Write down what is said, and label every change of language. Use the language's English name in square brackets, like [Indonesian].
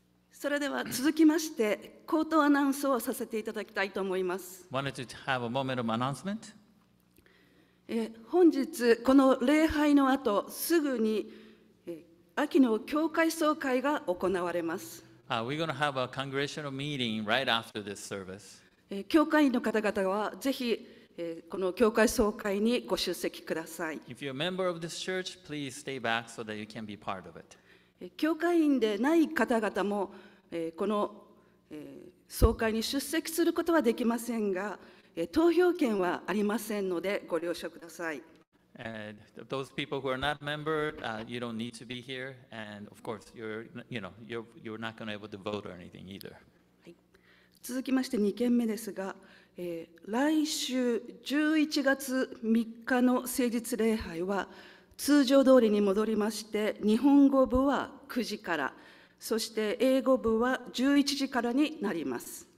[Japanese] それでは続きまして、口頭アナウンスをさせていただきたいと思います。 [English] Wanted to have a moment of announcement. [Japanese] 本日この礼拝の後、すぐに秋の教会総会が行われます。 [English] We're going to have a congregational meeting right after this service. [Japanese] 教会員の方々はぜひこの教会総会にご出席ください。 [English] If you're a member of this church, please stay back so that you can be part of it. [Japanese] 教会員でない方々もこの総会に出席することはできませんが、投票権はありませんのでご了承ください。 [English] Those people who are not member, you don't need to be here, and of course, you're not going to be able to vote or anything either. [Japanese] 続きまして2件目ですが、来週11月3日の聖日礼拝は、通常通りに戻りまして、日本語部は9時から、そして英語部は11時からになります。